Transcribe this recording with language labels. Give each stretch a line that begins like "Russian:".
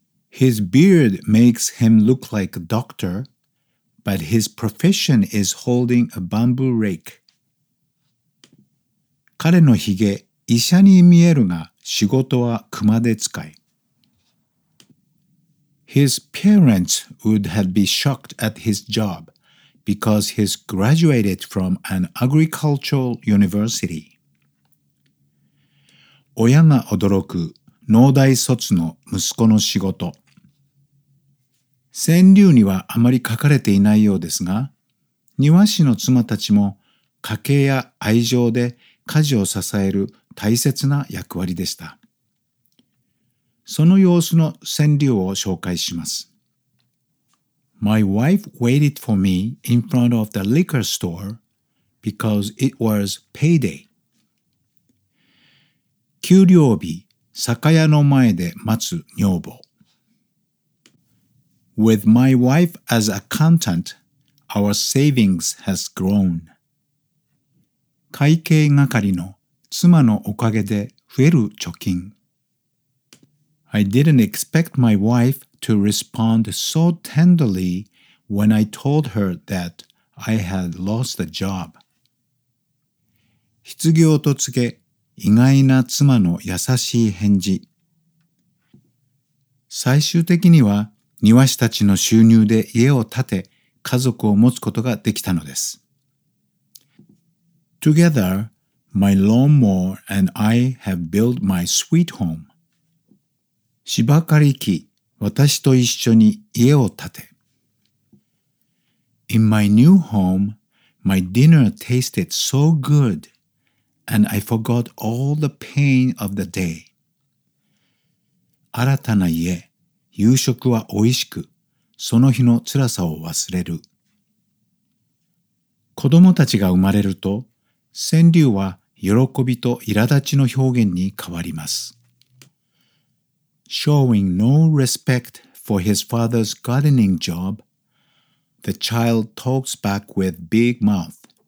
English: His beard makes him look like a doctor, but his profession is holding a bamboo rake.
Japanese: 彼のひげ、医者に見えるが、仕事は熊手使い。
English: His parents would have been shocked at his job because he's graduated from an agricultural university.
Japanese: 親が驚く農大卒の息子の仕事。川柳にはあまり書かれていないようですが、庭師の妻たちも家計や愛情で家事を支える大切な役割でした。その様子の川柳を紹介します。
English: My wife waited for me in front of the liquor store because it was payday.
Japanese: 給料日、酒屋の前で待つ女房。
English: With my wife as accountant, our savings has grown.
Japanese: 会計係の妻のおかげで増える貯金。
English: I didn't expect my wife to respond so tenderly when I told her that I had lost a job.
Japanese: 失業と告げ、意外な妻の優しい返事。最終的には、庭師たちの収入で家を建て、家族を持つことができたのです。
English: Together, my lawnmower and I have built my sweet home.
Japanese: 芝刈り機、私と一緒に家を建て。
English: In my new home, my dinner tasted so good, and I forgot all the pain of the day.
Japanese: 新たな家、夕食は美味しく、その日の辛さを忘れる。子供たちが生まれると、川柳は喜びと苛立ちの表現に変わります。
English: Showing no respect for his father's gardening job, the child talks back with big mouth.